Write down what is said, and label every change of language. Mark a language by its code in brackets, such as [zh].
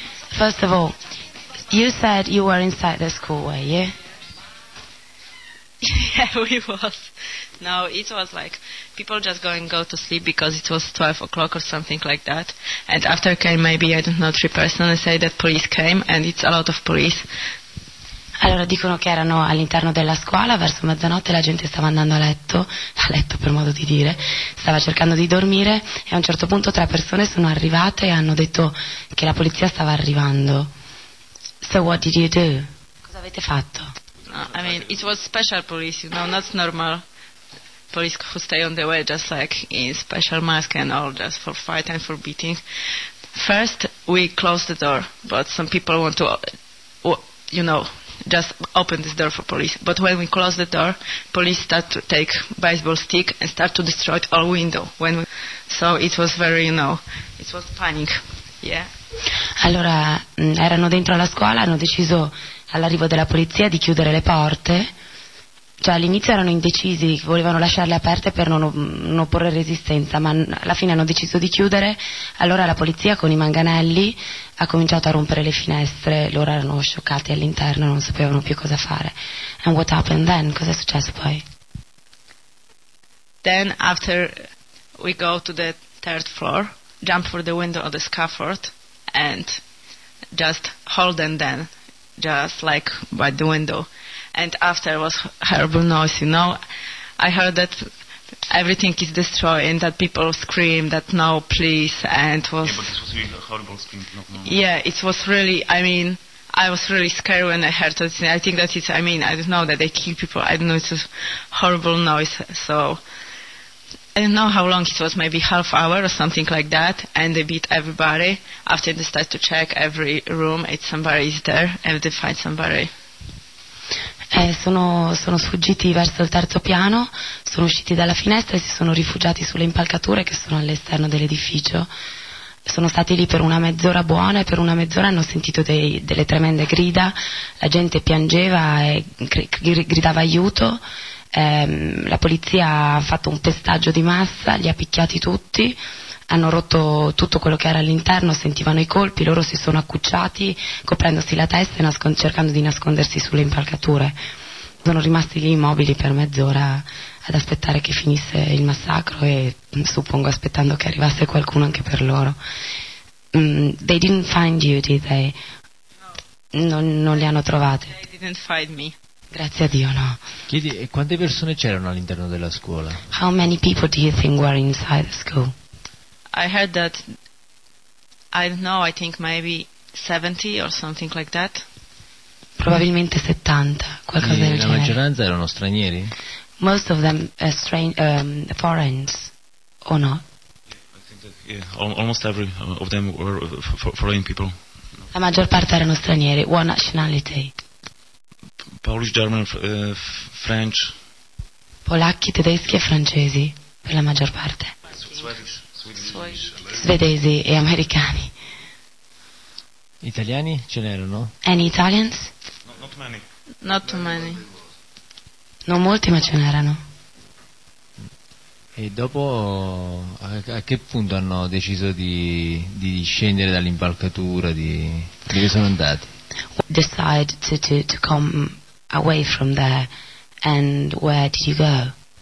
[en] First of all, you said you were inside the school, were you? Yeah, we was. No, it was like people just go and go to sleep because it was 12 o'clock or something like that. And after came maybe, I don't know, 3 persons and say that police came and it's a lot of police. [it] Allora dicono che erano all'interno della scuola, verso mezzanotte la gente stava andando a letto per modo di dire, stava cercando di dormire e a un certo punto 3 persone sono arrivate e hanno detto che la polizia stava arrivando. [en] So what did you do? [it] Cosa avete fatto? [en] I mean, it was special police, you know, not normal police who stay on the way just like in special mask and all just for fight and for beating. First, we closed the door, but some people want to, you know, just open this door for police. But when we closed the door, police start to take baseball stick and start to destroy all window. So it was very, you know, it was panic, yeah. [it] Allora, erano dentro la scuola, hanno deciso all'arrivo della polizia di chiudere le porte, cioè all'inizio erano indecisi, volevano lasciarle aperte per non opporre resistenza, ma alla fine hanno deciso di chiudere, allora la polizia con i manganelli ha cominciato a rompere le finestre, loro erano scioccati all'interno, non sapevano più cosa fare. [en] And what happened then? [it] Cosa è successo poi? [en] Then after we go to the third floor, jump for the window of the scaffold and just hold them then. Just like by the window, and after was horrible noise, you know, I heard that everything is destroyed and that people scream that no please, and was, yeah, but it was really a horrible scream. Yeah, it was really, I mean, I was really scared when I heard that. I think that it's, I mean, I don't know that they kill people, I don't know, it's a horrible noise. So I don't know how long it was, maybe half hour or something like that, and they beat everybody. After they start to check every room if somebody is there, and they find somebody. [it] Sono sfuggiti verso il terzo piano, sono usciti dalla finestra e si sono rifugiati sulle impalcature che sono all'esterno dell'edificio. Sono stati lì per una mezz'ora buona e per una mezz'ora hanno sentito delle tremende grida. La gente piangeva e gridava aiuto. La polizia ha fatto un pestaggio di massa, li ha picchiati tutti, hanno rotto tutto quello che era all'interno, sentivano i colpi, loro si sono accucciati coprendosi la testa e cercando di nascondersi sulle impalcature. Sono rimasti lì immobili per mezz'ora ad aspettare che finisse il massacro e suppongo aspettando che arrivasse qualcuno anche per loro. [en] They didn't find you, did they? No. [it] Non li hanno trovati. [en] They didn't find me. [it] Grazie a Dio, no. Chiedi, e quante persone c'erano all'interno della scuola? [en] How many people do you think were inside the school? I heard that, I don't know, I think maybe 70 or something like that. [it] Probabilmente 70, qualcosa del genere. La maggioranza erano stranieri? [en] Most of them are foreigners, or not? Yeah, I think that, yeah, almost every of them were foreign people. [it] La maggior parte erano stranieri, [en] one nationality. Polish, German, French. [it] Polacchi, tedeschi e francesi, per la maggior parte. Svedesi e americani. Italiani ce n'erano? [en] Any Italians? Not many. [it] Non molti, ma ce n'erano. E dopo, a che punto hanno deciso di scendere dall'impalcatura, dove sono andati? [en] Decide to come away from there, and where did you go?